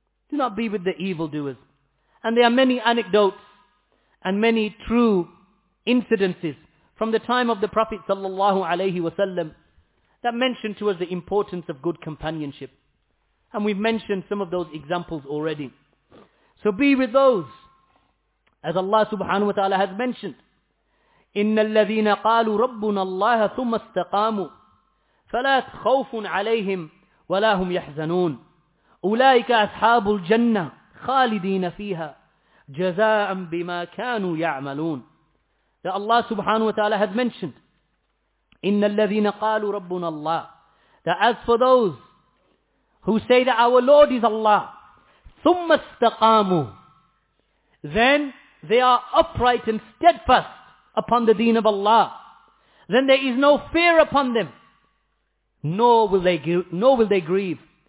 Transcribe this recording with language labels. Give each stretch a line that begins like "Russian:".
English: Do not be with the evildoers. And there are many anecdotes and many true incidences from the time of the Prophet sallallahu alaihi wasallam that mention to us the importance of good companionship. And we've mentioned some of those examples already. So be with those, as Allah subhanahu wa ta'ala has mentioned,
Arabic: إِنَّ الَّذِينَ قَالُوا رَبُّنَا اللَّهَ ثُمَّ اسْتَقَامُوا فَلَا خَوْفٌ عَلَيْهِمْ وَلَا هُمْ يَحْزَنُونَ أُولَئِكَ أَصْحَابُ الْجَنَّةِ خَالِدِينَ فِيهَا جَزَاءً بِمَا كَانُوا يَعْمَلُونَ.
English: That Allah subhanahu wa ta'ala has mentioned,
Arabic: إِنَّ الَّذِينَ قَالُوا رَبُّنَا اللَّهَ,
English: that as for those who say that our Lord is Allah,
Arabic: ثُمَّ اسْتَقَامُوا,
English: then they are upright and steadfast upon the deen of Allah, then there is no fear upon them, nor will they grieve.